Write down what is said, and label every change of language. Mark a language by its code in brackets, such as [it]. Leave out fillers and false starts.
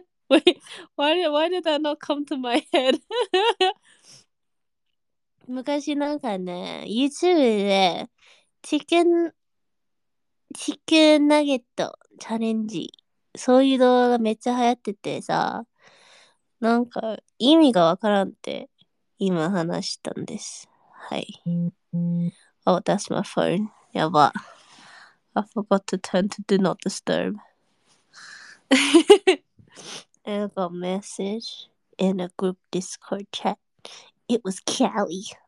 [en] Wait, why did that not come to my head? [ja] 昔なんかね、YouTube でチキンナゲットチャレンジ。そういう動画がめっちゃ流行っててさ、なんか意味がわからんって今話したんです。 [en] はい。Oh, that's my phone. やば。 I forgot to turn to do not disturb. I got a message in a group Discord chat. It was Callie.